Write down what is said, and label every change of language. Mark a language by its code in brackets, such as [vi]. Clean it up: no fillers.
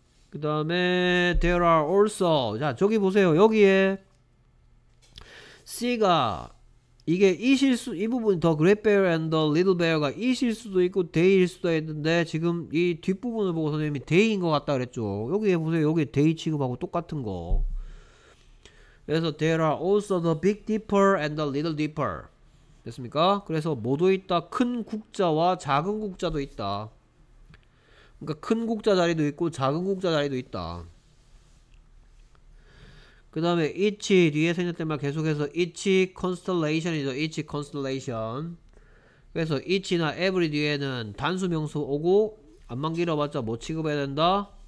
[ko] 그 다음에 [en] there are also. [ko] 자, 저기 보세요. 여기에 C가 이게 이실 수, 이 부분 [en] the great bear and the little bear [ko] 가 이실 수도 있고 데이일 수도 있는데 지금 이 뒷부분을 보고 선생님이 데이인 것 같다 그랬죠. 여기에 보세요. 여기 데이 취급하고 똑같은 거. 그래서 [en] there are also the big dipper and the little dipper. [ko] 됐습니까? 그래서 뭐도 있다? 큰 국자와 작은 국자도 있다. 그러니까 큰 국자 자리도 있고 작은 국자 자리도 있다. 그 다음에 이치 뒤에 생겼던 말 계속해서 이치 컨스텔레이션이죠. 이치 컨스텔레이션. 그래서 이치나 에브리 뒤에는 단수 명사 오고 안만 길어봤자 뭐 취급해야 된다?